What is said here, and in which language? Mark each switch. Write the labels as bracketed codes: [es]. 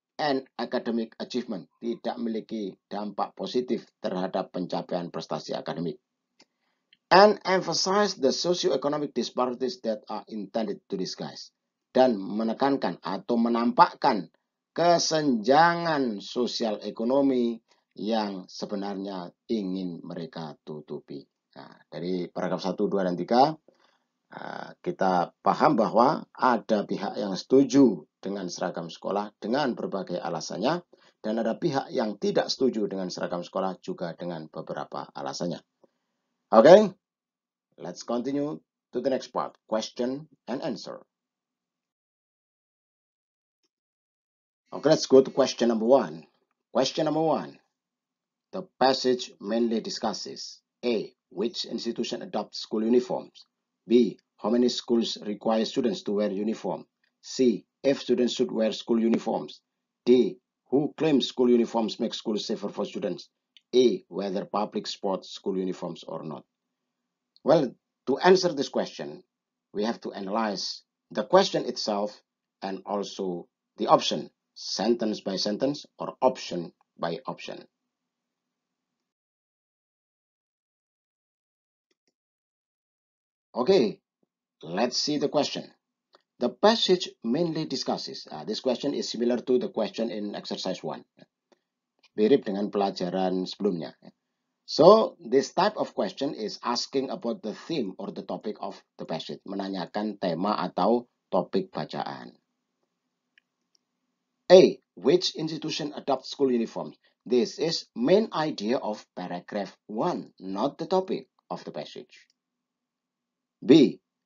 [en] and academic achievement [id] tidak memiliki dampak positif terhadap pencapaian prestasi akademik, [en] and emphasize the socioeconomic disparities that are intended to disguise, [id] dan menekankan atau menampakkan kesenjangan sosial ekonomi yang sebenarnya ingin mereka tutupi. Nah, dari paragraf 1, 2, dan 3, kita paham bahwa ada pihak yang setuju dengan seragam sekolah dengan berbagai alasannya, dan ada pihak yang tidak setuju dengan seragam sekolah juga dengan beberapa alasannya. [en] Okay, let's continue to the next part, question and answer. Okay, let's go to question number one. Question number one. The passage mainly discusses A. Which institution adopts school uniforms? B. How many schools require students to wear uniform? C. If students should wear school uniforms? D. Who claims school uniforms make schools safer for students? E. Whether public sports school uniforms or not? Well, to answer this question, we have to analyze the question itself and also the option, sentence by sentence or option by option. Okay, let's see the question. The passage mainly discusses, this question is similar to the question in exercise 1. [id] Mirip dengan pelajaran sebelumnya. [en] So, this type of question is asking about the theme or the topic of the passage. [id] Menanyakan tema atau topik bacaan. [en] A. Which institution adopts school uniforms? This is main idea of paragraph 1, not the topic of the passage. B.